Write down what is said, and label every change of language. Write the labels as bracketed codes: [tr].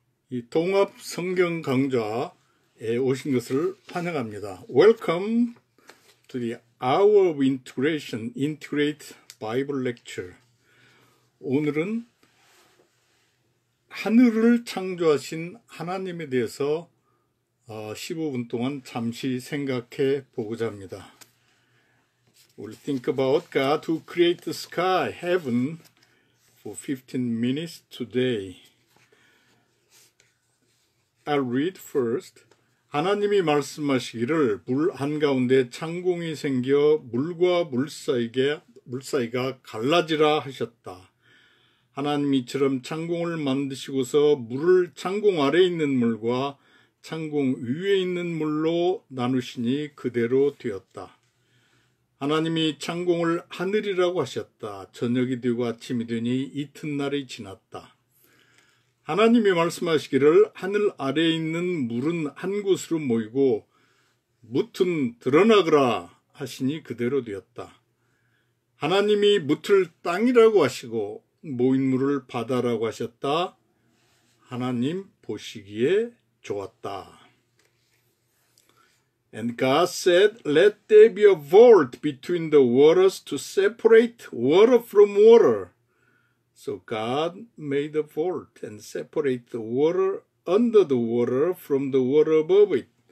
[ko] 이 동합 성경 강좌에 오신 것을 환영합니다. [en] Welcome to the Hour of Integration, Integrate Bible Lecture. [ko] 오늘은 하늘을 창조하신 하나님에 대해서 15분 동안 잠시 생각해 보고자 합니다. [en] We'll think about God who created the sky, heaven, for 15 minutes today. I'll read first. [ko] 하나님이 말씀하시기를 물 한가운데 창공이 생겨 물과 물 사이가 갈라지라 하셨다. 하나님이 이처럼 창공을 만드시고서 물을 창공 아래 있는 물과 창공 위에 있는 물로 나누시니 그대로 되었다. 하나님이 창공을 하늘이라고 하셨다. 저녁이 되고 아침이 되니 이튿날이 지났다. 하나님이 말씀하시기를 하늘 아래에 있는 물은 한 곳으로 모이고 뭇은 드러나거라 하시니 그대로 되었다. 하나님이 뭇을 땅이라고 하시고 모인 물을 바다라고 하셨다. 하나님 보시기에 좋았다. [en] And God said, Let there be a vault between the waters to separate water from water. So God made a vault and separated the water under the water from the water above it.